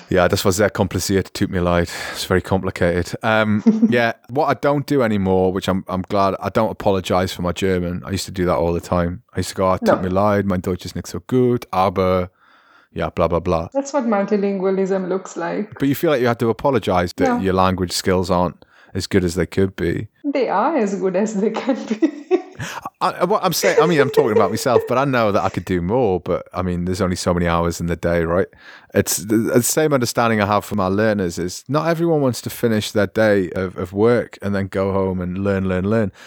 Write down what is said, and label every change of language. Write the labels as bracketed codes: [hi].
[de] Yeah, das war sehr kompliziert, tut mir leid. [en] It's very complicated. yeah, what I don't do anymore, which I'm glad, I don't apologize for my German. I used to do that all the time. I used to go, [de] tut mir leid, mein Deutsch ist nicht so gut, aber, [en] yeah, blah, blah, blah. That's what multilingualism looks like. But you feel like you had to apologize that your language skills aren't as good as they could be. They are as good as they can be. I'm talking about myself, but I know that I could do more, but I mean, there's only so many hours in the day, right? It's the same understanding I have for my learners, is not everyone wants to finish their day of work and then go home and learn.